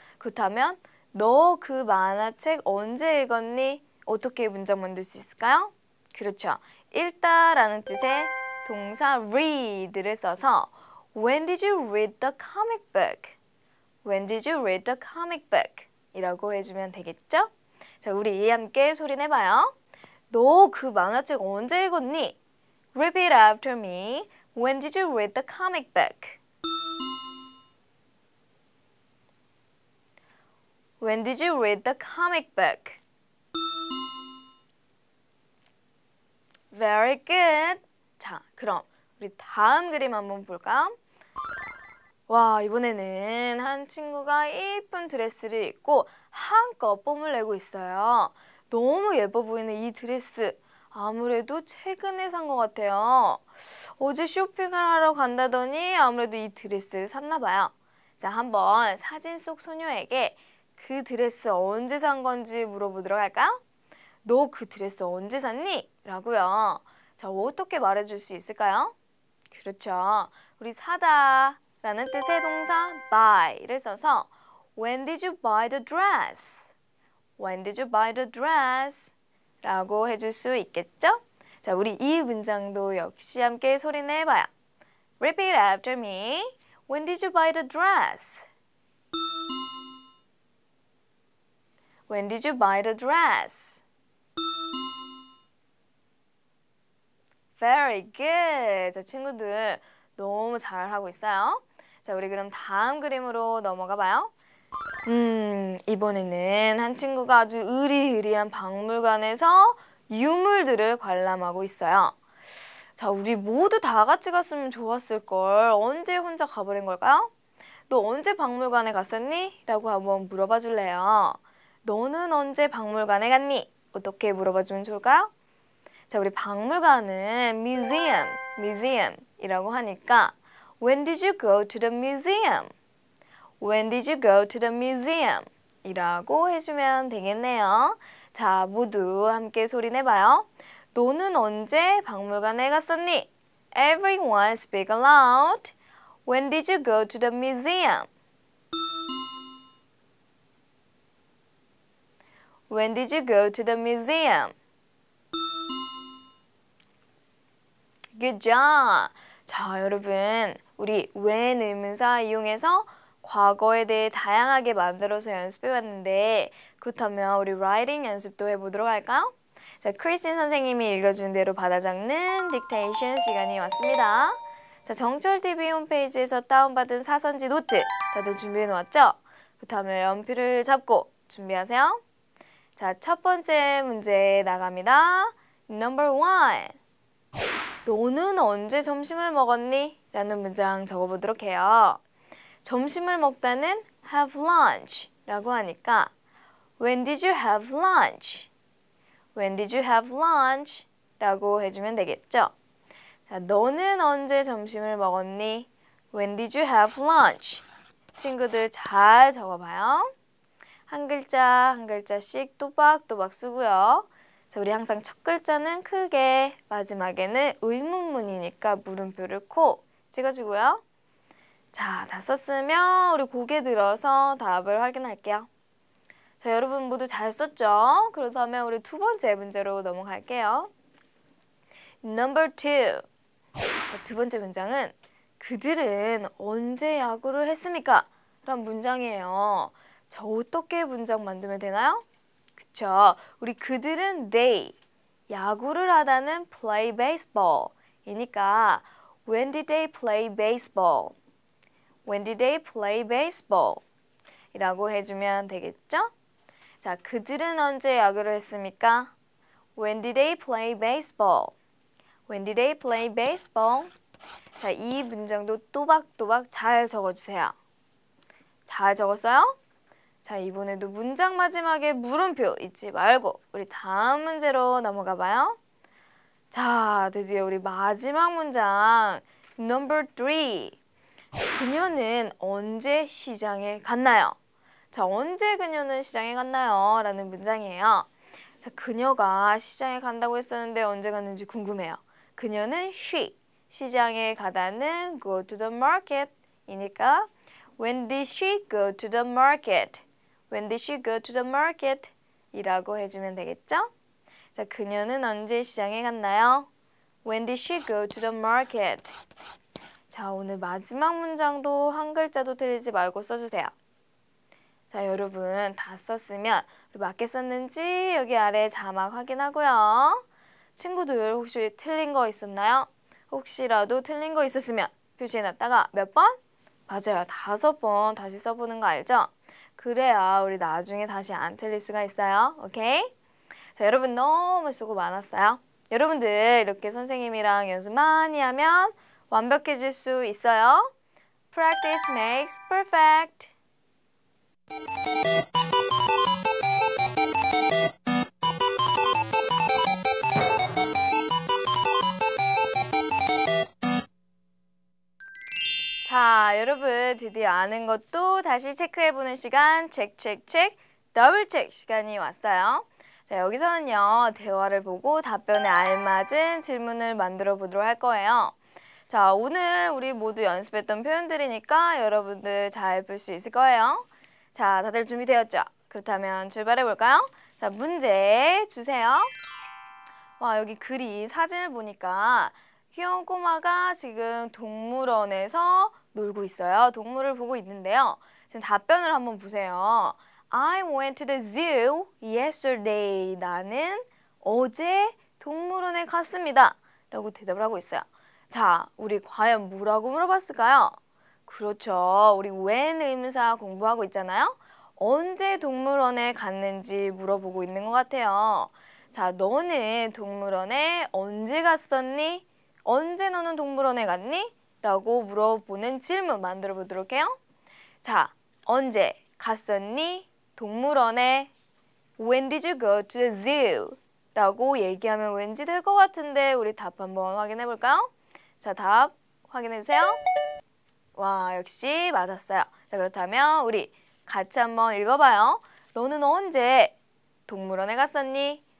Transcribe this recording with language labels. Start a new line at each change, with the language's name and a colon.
Korean: 그렇다면 너그 만화책 언제 읽었니? 어떻게 문장 만들 수 있을까요? 그렇죠. 읽다라는 뜻의 동사 read를 써서
English: When did you read the comic book? When did you read the comic book?
Korean: 이라고 해주면 되겠죠? 자, 우리 함께 소리내봐요. 너그 만화책 언제 읽었니?
English: Repeat after me. When did you read the comic book? When did you read the comic book? Very good.
Korean: 자, 그럼 우리 다음 그림 한번 볼까요? 와, 이번에는 한 친구가 예쁜 드레스를 입고 한껏 뽐을 내고 있어요. 너무 예뻐 보이는 이 드레스. 아무래도 최근에 산것 같아요. 어제 쇼핑을 하러 간다더니 아무래도 이 드레스를 샀나 봐요. 자, 한번 사진 속 소녀에게 그 드레스 언제 산 건지 물어보도록 할까? 너그 드레스 언제 샀니? 라고요. 자, 어떻게 말해줄 수 있을까요? 그렇죠. 우리 사다. 라는 뜻의 동사 buy를 써서
English: When did you buy the dress? When did you buy the dress?
Korean: 라고 해줄 수 있겠죠? 자, 우리 이 문장도 역시 함께 소리내봐요.
English: Repeat after me. When did you buy the dress? When did you buy the dress? Very good.
Korean: 자, 친구들 너무 잘하고 있어요. 자, 우리 그럼 다음 그림으로 넘어가 봐요. 이번에는 한 친구가 아주 으리으리한 박물관에서 유물들을 관람하고 있어요. 자, 우리 모두 다 같이 갔으면 좋았을걸. 언제 혼자 가버린 걸까요? 너 언제 박물관에 갔었니? 라고 한번 물어봐 줄래요. 너는 언제 박물관에 갔니? 어떻게 물어봐 주면 좋을까요? 자, 우리 박물관은 museum이라고 하니까
English: When did you go to the museum? When did you go to the museum?
Korean: 이라고 해주면 되겠네요. 자, 모두 함께 소리내봐요. 너는 언제 박물관에 갔었니?
English: Everyone speak aloud. When did you go to the museum? When did you go to the museum? Good job.
Korean: 자, 여러분. 우리 when 의문사 이용해서 과거에 대해 다양하게 만들어서 연습해 봤는데, 그렇다면 우리 라이팅 연습도 해보도록 할까요? 자, 크리스틴 선생님이 읽어준 대로 받아적는 딕테이션 시간이 왔습니다. 자, 정철 TV 홈페이지에서 다운받은 사선지 노트 다들 준비해 놓았죠? 그렇다면 연필을 잡고 준비하세요. 자, 첫 번째 문제 나갑니다.
English: Number one.
Korean: 너는 언제 점심을 먹었니? 라는 문장 적어보도록 해요. 점심을 먹다는 have lunch라고 하니까
English: When did you have lunch? When did you have lunch?
Korean: 라고 해주면 되겠죠. 자, 너는 언제 점심을 먹었니?
English: When did you have lunch?
Korean: 친구들 잘 적어봐요. 한 글자 한 글자씩 또박또박 쓰고요. 자, 우리 항상 첫 글자는 크게, 마지막에는 의문문이니까 물음표를 콕 찍어주고요. 자, 다 썼으면 우리 고개 들어서 답을 확인할게요. 자, 여러분 모두 잘 썼죠? 그렇다면 우리 두 번째 문제로 넘어갈게요.
English: Number two.
Korean: 자, 두 번째 문장은 그들은 언제 야구를 했습니까? 라는 문장이에요. 자, 어떻게 문장 만들면 되나요? 그쵸. 우리 그들은 they. 야구를 하다는 play baseball. 이니까,
English: when did they play baseball? When did they play baseball?
Korean: 이라고 해주면 되겠죠? 자, 그들은 언제 야구를 했습니까?
English: When did they play baseball? When did they play baseball?
Korean: 자, 이 문장도 또박또박 잘 적어주세요. 잘 적었어요? 자, 이번에도 문장 마지막에 물음표 잊지 말고 우리 다음 문제로 넘어가 봐요. 자, 드디어 우리 마지막 문장.
English: Number three.
Korean: 그녀는 언제 시장에 갔나요? 자, 언제 그녀는 시장에 갔나요? 라는 문장이에요. 자, 그녀가 시장에 간다고 했었는데 언제 갔는지 궁금해요. 그녀는 she. 시장에 가다는
English: go to the market.
Korean: 이니까,
English: when did she go to the market? When did she go to the market?
Korean: 이라고 해주면 되겠죠? 자, 그녀는 언제 시장에 갔나요?
English: When did she go to the market?
Korean: 자, 오늘 마지막 문장도 한 글자도 틀리지 말고 써주세요. 자, 여러분 다 썼으면 맞게 썼는지 여기 아래 자막 확인하고요. 친구들 혹시 틀린 거 있었나요? 혹시라도 틀린 거 있었으면 표시해놨다가 몇 번? 맞아요. 다섯 번 다시 써보는 거 알죠? 그래야 우리 나중에 다시 안 틀릴 수가 있어요. 오케이? 자, 여러분 너무 수고 많았어요. 여러분들 이렇게 선생님이랑 연습 많이 하면 완벽해질 수 있어요.
English: Practice makes perfect.
Korean: 자, 여러분 드디어 아는 것도 다시 체크해보는 시간, 체크, 더블 체크 시간이 왔어요. 자, 여기서는요, 대화를 보고 답변에 알맞은 질문을 만들어 보도록 할 거예요. 자, 오늘 우리 모두 연습했던 표현들이니까 여러분들 잘풀수 있을 거예요. 자, 다들 준비되었죠? 그렇다면 출발해 볼까요? 자, 문제 주세요. 와, 여기 글이 사진을 보니까 귀여운 꼬마가 지금 동물원에서 놀고 있어요. 동물을 보고 있는데요. 지금 답변을 한번 보세요.
English: I went to the zoo yesterday.
Korean: 나는 어제 동물원에 갔습니다. 라고 대답을 하고 있어요. 자, 우리 과연 뭐라고 물어봤을까요? 그렇죠. 우리 when 의문사 공부하고 있잖아요. 언제 동물원에 갔는지 물어보고 있는 것 같아요. 자, 너는 동물원에 언제 갔었니? 언제 너는 동물원에 갔니? 라고 물어보는 질문 만들어 보도록 해요. 자, 언제 갔었니? 동물원에.
English: When did you go to the zoo?
Korean: 라고 얘기하면 왠지 될것 같은데 우리 답 한번 확인해 볼까요? 자, 답 확인해 주세요. 와, 역시 맞았어요. 자, 그렇다면 우리 같이 한번 읽어봐요. 너는 언제 동물원에 갔었니?